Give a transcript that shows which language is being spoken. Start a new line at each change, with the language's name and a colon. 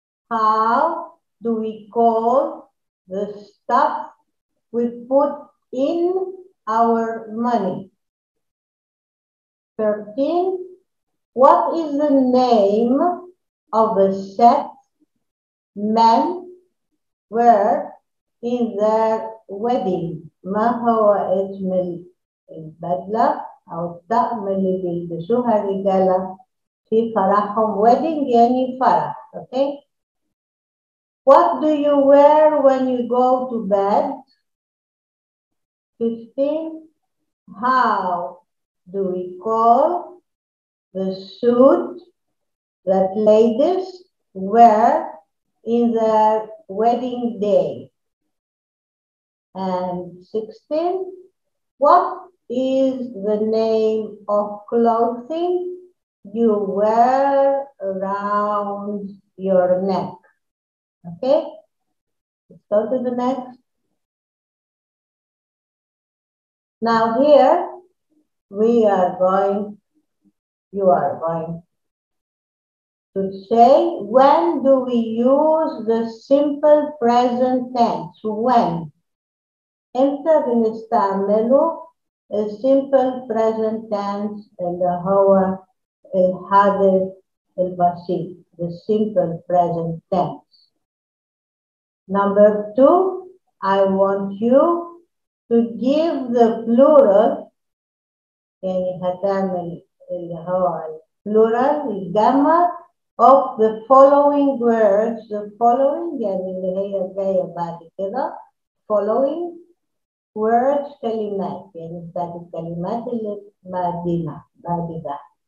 English: How do we call the stuff we put in our money? 13. What is the name of the set men were in their wedding?
Arabic: ما هو اسم البدلة أو الطقم اللي بيلبسوها الرجالة في فرحهم؟ Wedding يعني فرح.
English: Okay. What do you wear when you go to bed? 15. How do we call the suit that ladies wear in their wedding day? And 16. What is the name of clothing you wear around your neck? Okay, let's go to the next. Now here we are going, you are going to say, when do we use the simple present tense? When?
Arabic: إمتى بنستعملوا
English: the simple present tense
Arabic: اللي هو الحاضر البسيط, the simple present tense.
English: Number two, I want you to give the plural
Arabic: يعني هتعمل اللي هو plural الجمع
English: of the following words. The following
Arabic: يعني اللي هي جاية بعد كده,
English: following words
Arabic: كلمات يعني بعد الكلمات اللي بعدنا بعد ده.